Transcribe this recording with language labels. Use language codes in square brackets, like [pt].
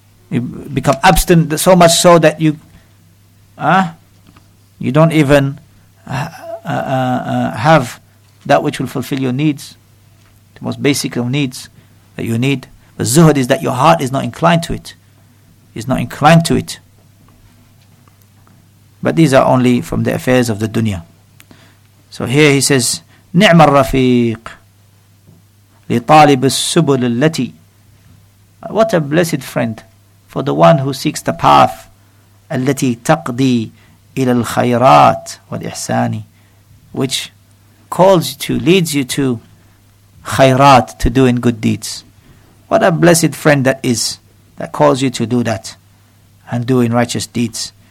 [en] You become abstinent so much so that you you don't even have that which will fulfill your needs, the most basic of needs that you need. But zuhud is that your heart is not inclined to it. It's not inclined to it. But these are only from the affairs of the dunya. So here he says, [ar] نِعْمَ الرَّفِيقِ لِطَالِبِ السُّبُلِ الَّتِي. [en] What a blessed friend for the one who seeks the path, [ar] الَّتِي تَقْضِي إِلَى الْخَيْرَاتِ وَالْإِحْسَانِ, [en] which calls you to, leads you to khayrat, to doing good deeds. What a blessed friend that is, that calls you to do that and doing righteous deeds.